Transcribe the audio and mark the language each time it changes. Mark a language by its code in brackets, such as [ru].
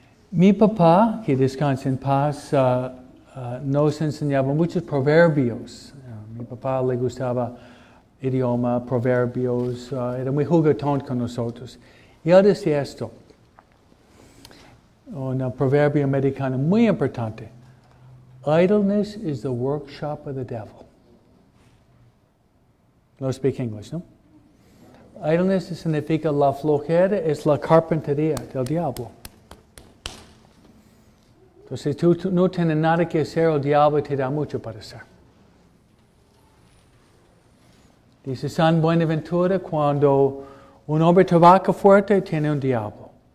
[es] Mi papá, que descansa en paz, nos enseñaba muchos proverbios. Mi papá le gustaba idioma, proverbios. Era muy juguetón con nosotros. Y él decía esto. Un proverbio americano muy importante. [en] Idleness is the workshop of the devil. No speak English, ¿no? [es] Idleness significa la flojera, es la carpintería del diablo. Entonces, si tú no tienes nada que hacer, el diablo te da mucho para hacer. Dice San Buenaventura, cuando un hombre trabaja fuerte, tiene un diablo.